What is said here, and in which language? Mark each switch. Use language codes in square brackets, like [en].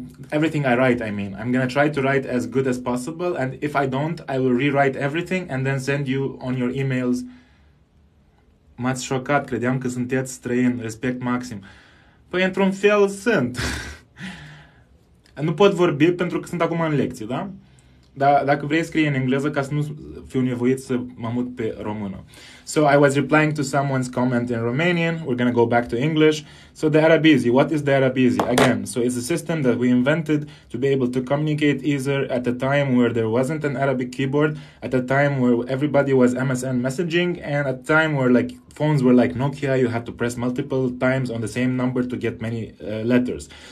[en] Everything I write, I mean, I'm gonna try to write as good as possible, and if I don't, I will rewrite everything and then send you on your emails. [ro] M-ați șocat, credeam că sunteți străini, respect maxim. Păi, într-un fel, sunt. Nu pot vorbi pentru că sunt acum în lecție, da? Dacă vrei scrie în engleză ca să nu fiu nevoit să mă mut pe română. [en] So I was replying to someone's comment in Romanian. We're going to go back to English. So the Arabizi, what is the Arabizi? Again, so it's a system that we invented to be able to communicate easier at a time where there wasn't an Arabic keyboard, at a time where everybody was MSN messaging, and at a time where like phones were like Nokia, you had to press multiple times on the same number to get many letters.